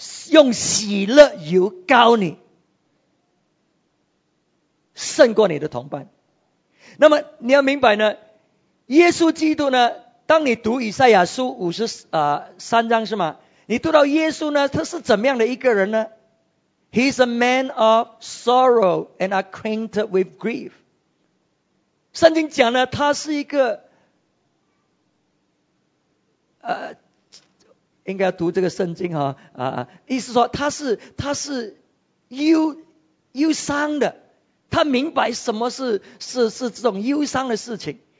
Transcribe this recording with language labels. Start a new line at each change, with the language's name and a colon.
Chinese: 用喜乐油膏你，胜过你的同伴。那么你要明白呢，耶稣基督呢，当你读以赛亚书53章是吗？你读到耶稣呢，他是怎么样的一个人呢？
English: He's a man of sorrow and acquainted with grief.
Chinese: 圣经讲呢，他是一个应该读这个圣经哈，意思说他是忧伤的，他明白什么是这种忧伤的事情。